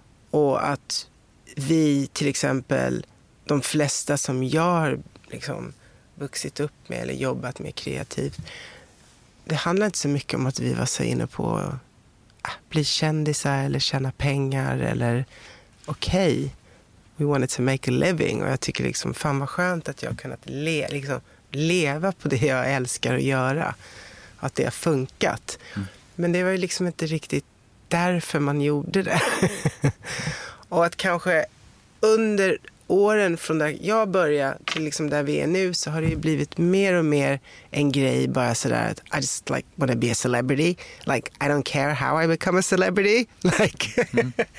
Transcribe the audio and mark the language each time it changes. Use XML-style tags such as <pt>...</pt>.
<sv>Och att vi till exempel, de flesta som jag liksom vuxit upp med eller jobbat med kreativt. Det handlar inte så mycket om att vi var så inne på att bli kändisar eller tjäna pengar eller okej.</sv> <en>Okay, we wanted to make a living.</en> <sv>Och jag tycker liksom, fan vad skönt att jag har kunnat leva på det jag älskar att göra. Att det har funkat. Mm. Men det var ju liksom inte riktigt därför man gjorde det. Och att kanske under åren från där jag började till liksom där vi är nu, så har det ju blivit mer och mer en grej bara sådär att</sv> <en>I just like wanna be a celebrity, like</en> <sv>I don't care how I become a celebrity, like mm.</sv>